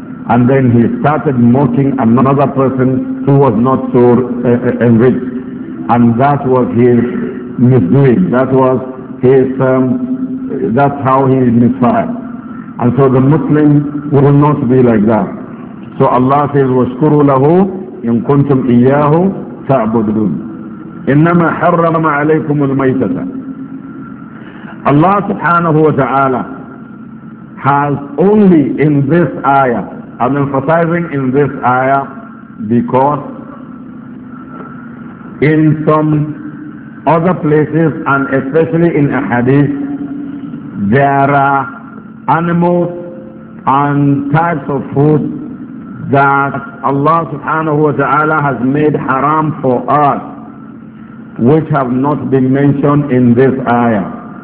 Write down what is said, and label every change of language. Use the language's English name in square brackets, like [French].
[English] And then he started mocking another person who was not so enriched. And that was his misdoing. That was his, that's how he misfired. And so the Muslim will not be like that. So Allah says, [Arabic] وَاشْكُرُوا لَهُ إِن كُنْتُمْ إِيَّاهُ تَعْبُدُونَ إِنَّمَا حَرَّمَ عَلَيْكُمُ الْمَيْتَةَ. [English] Allah subhanahu wa ta'ala has only in this ayah, I'm emphasizing in this ayah because in some other places and especially in a hadith, there are animals and types of food that Allah subhanahu wa ta'ala has made haram for us, which have not been mentioned in this ayah.